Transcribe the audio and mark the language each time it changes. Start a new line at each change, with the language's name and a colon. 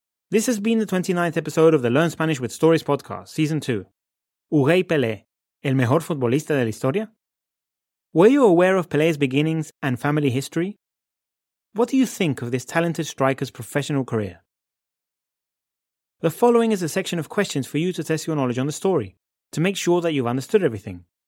English: This has been the 29th episode of the Learn Spanish with Stories podcast, Season 2.
Spanish: Hugo Pelé, el mejor futbolista de la historia?
English: Were you aware of Pelé's beginnings and family history? What do you think of this talented striker's professional career? The following is a section of questions for you to test your knowledge on the story, to make sure that you've understood everything.